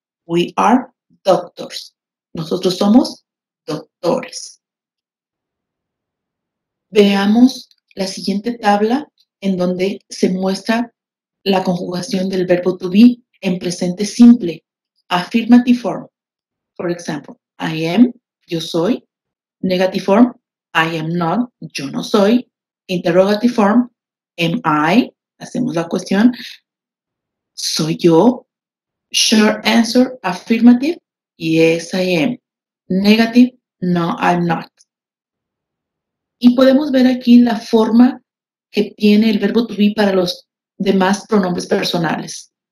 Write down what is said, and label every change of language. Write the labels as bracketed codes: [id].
[en] We are doctors. [es] Nosotros somos doctores. Veamos la siguiente tabla en donde se muestra la conjugación del verbo to be en presente simple. [en] Affirmative form. For example, I am, [es] yo soy. [en] Negative form, I am not, [es] yo no soy. [en] Interrogative form, am I, [es] hacemos la cuestión, soy yo. [en] Short answer, affirmative. Yes, I am. Negative, no, I'm not. [es] Y podemos ver aquí la forma que tiene el verbo to be para los demás pronombres personales.